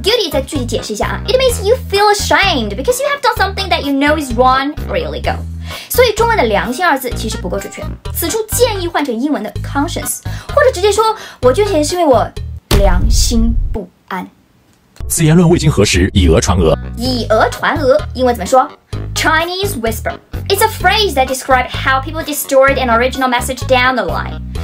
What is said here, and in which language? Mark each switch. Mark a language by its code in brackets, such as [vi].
[en] guilty 再具体解释一下啊， it means you feel ashamed because you have done something that you know is wrong or illegal。 [zh] 所以中文的良心二字其实不够准确，此处建议换成英文的 conscience， 或者直接说我捐钱是因为我良心不安。此言论未经核实，以讹传讹。以讹传讹，英文怎么说？ [en] Chinese whisper. It's a phrase that describes how people distort an original message down the line.